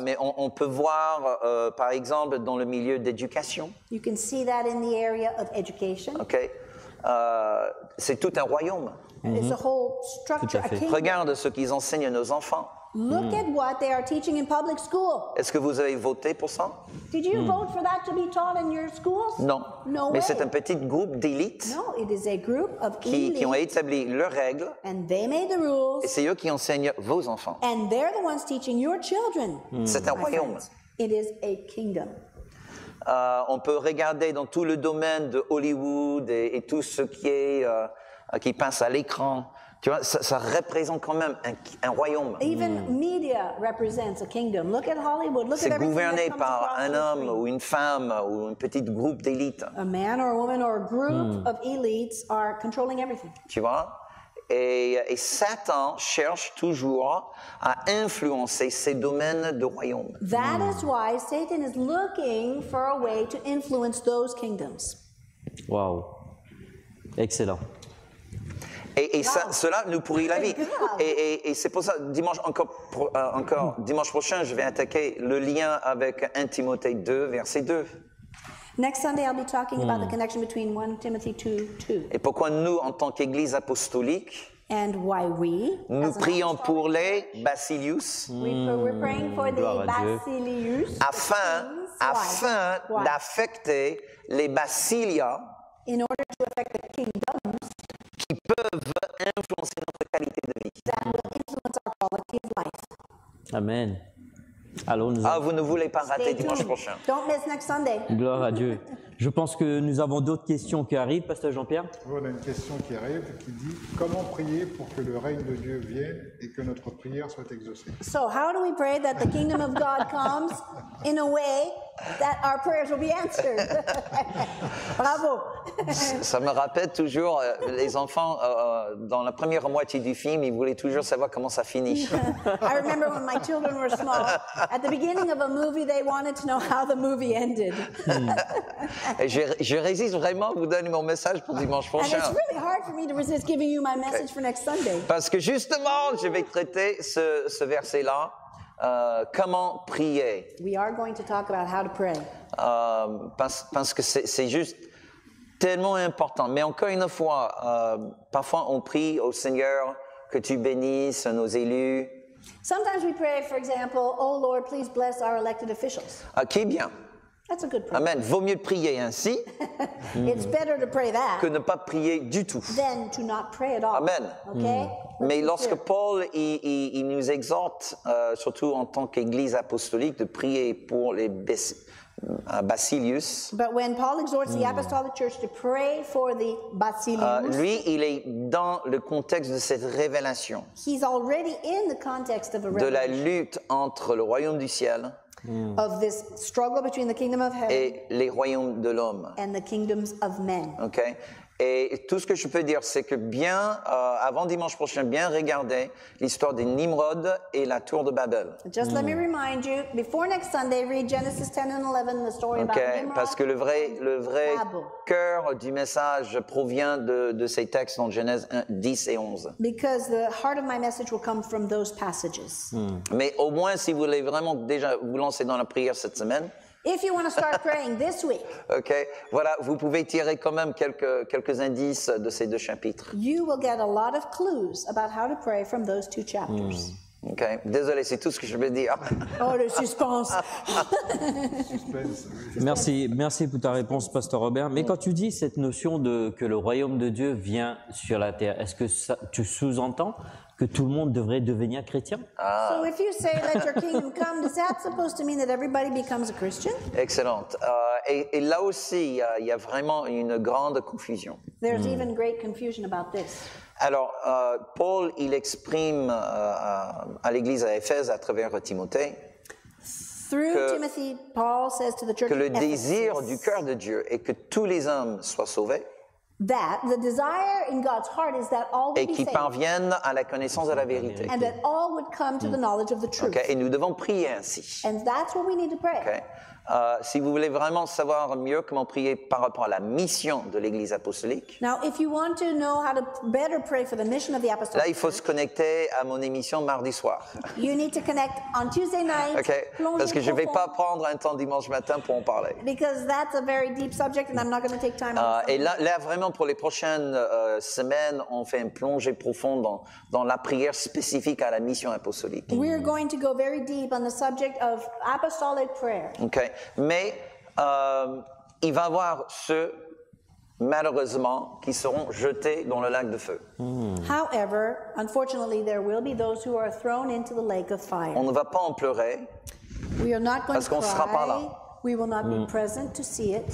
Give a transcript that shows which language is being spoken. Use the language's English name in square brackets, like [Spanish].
[French] Mais on peut voir, par exemple, dans le milieu d'éducation. [English] You can see that in the area of education. [French] Okay. C'est tout un royaume. [English] It's a whole structure, [French] tout à fait. [English] A kingdom. [French] Regarde ce qu'ils enseignent à nos enfants. [English] Look at what they are teaching in public school. [French] Est-ce que vous avez voté pour ça? [English] Did you vote for that to be taught in your schools? [French] Non. [English] No [French] Mais C'est un petit groupe d'élite. [English] No, it is a group of [French] qui ont établi leurs règles. [English] And they made the rules. [French] Et c'est eux qui enseignent vos enfants. [English] And they're the ones teaching your children. [French] C'est un royaume. [English] It is a kingdom. [French] On peut regarder dans tout le domaine de Hollywood et tout ce qui passe à l'écran. Tu vois, ça représente quand même un royaume. [English] Even media represents a kingdom. Look at Hollywood. Look [French] C'est [English] at [French] gouverné par un homme ou une femme ou un petit groupe d'élite. [English] A man or a woman or a group of elites are controlling everything. [French] Tu vois? et Satan cherche toujours à influencer ces domaines de royaume. [English] That is why Satan is looking for a way to influence those kingdoms. Wow. Excellent. [French] Et wow. Ça, cela nous pourrit la vie. Et c'est pour ça, dimanche prochain, je vais attaquer le lien avec 1 Timothée 2, verset 2. [English] Next Sunday, I'll be talking about the connection between 1 Timothy 2, 2. [French] Et pourquoi nous, en tant qu'Église apostolique, [English] and why we, [French] nous prions pour les Basilius, [English] we're praying for the Basilius, [French] afin d'affecter les Basilia, [English] in order to affect the kingdoms, [French] qui peuvent influencer notre qualité de vie. [English] That will influence our quality of life. Amen. [French] Vous ne voulez pas rater dimanche prochain. [English] Don't miss next Sunday. [French] Gloire à Dieu. Je pense que nous avons d'autres questions qui arrivent, Pasteur Jean-Pierre. Oui, on a une question qui arrive qui dit comment prier pour que le règne de Dieu vienne et que notre prière soit exaucée. [English] So how do we pray that the kingdom of God comes in a way that our prayers will be answered? [French] Bravo. Ça me rappelle toujours les enfants dans la première moitié du film, ils voulaient toujours savoir comment ça finit. [English] I remember when my children were small, at the beginning of a movie, they wanted to know how the movie ended. [French] Et je résiste vraiment à vous donner mon message pour dimanche prochain. [English] And it's really hard for me to resist giving you my message for next Sunday. [French] Parce que justement, je vais traiter ce verset-là, comment prier. [English] We are going to talk about how to pray. [French] Parce que c'est juste tellement important. Mais encore une fois, parfois on prie au Seigneur que tu bénisses nos élus. [English] Sometimes we pray, for example, oh Lord, please bless our elected officials. [French] Qui est bien. [English] That's a good prayer. [French] Amen. Vaut mieux prier ainsi [English] It's better to pray that [French] que ne pas prier du tout. [English] Than to not pray at all. Amen. Okay? [French] Mais lorsque Paul il nous exhorte, surtout en tant qu'Église apostolique, de prier pour les Basilius. [English] But when Paul exhorts the apostolic church to pray for the Basilius, [French] lui, il est dans le contexte de cette révélation. [English] He's already in the context of a revelation. [French] De la lutte entre le royaume du ciel. [English] Of this struggle between the kingdom of heaven [French] et les royaumes de l'homme. [English] And the kingdoms of men. Okay. [French] Et tout ce que je peux dire, c'est que bien, avant dimanche prochain, bien regardez l'histoire de Nimrod et la tour de Babel. [English] Just let me remind you, before next Sunday, read Genesis 10 and 11, the story about Nimrod. [French] Parce que le vrai cœur du message provient de ces textes dans Genèse 10 et 11. [English] Because the heart of my message will come from those passages. [French] Mais au moins, si vous voulez vraiment déjà vous lancer dans la prière cette semaine, [English] if you want to start praying this week. Okay. [French] Voilà, vous pouvez tirer quand même quelques indices de ces deux chapitres. [English] You will get a lot of clues about how to pray from those two chapters. Okay. [French] Désolé, c'est tout ce que je vais dire. Oh, le suspense. Merci pour ta réponse, Pasteur Robert. Mais quand tu dis cette notion de que le royaume de Dieu vient sur la terre, est-ce que ça, tu sous-entends que tout le monde devrait devenir chrétien? [English] So if you say let your kingdom come, is that supposed to mean that everybody becomes a Christian? [French] Excellent. Et là aussi, il y a vraiment une grande confusion. [English] There's even great confusion about this. [French] Alors, Paul, il exprime à l'église à Éphèse à travers Timothée. [English] Through Timothy, Paul says to the church [French] que le désir du cœur de Dieu est que tous les hommes soient sauvés. [English] That the desire in God's heart is that all would be saved. [French] Et qu'ils parviennent à la connaissance de la vérité. [English] And that all would come to the knowledge of the truth. [French] Okay, et nous devons prier ainsi. [English] And that's what we need to pray. Okay. [French] Si vous voulez vraiment savoir mieux comment prier par rapport à la mission de l'Église apostolique. [English] Now, if you want to know how to better pray for the mission of the apostolic church. [French] Là, il faut se connecter à mon émission mardi soir. [English] You need to connect on Tuesday night. Okay. [French] Parce que je ne vais pas prendre un temps dimanche matin pour en parler. [English] Because that's a very deep subject and I'm not going to take time. [French] Et là, vraiment, pour les prochaines semaines, on fait une plongée profonde dans la prière spécifique à la mission apostolique. [English] We're going to go very deep on the subject of apostolic prayer. Okay. [French] Mais il va y avoir ceux, malheureusement, qui seront jetés dans le lac de feu. [English] However, unfortunately, there will be those who are thrown into the lake of fire. [French] On ne va pas en pleurer. [English] We are not going [French] parce qu'on ne sera pas là. [English] We will not be present to see it.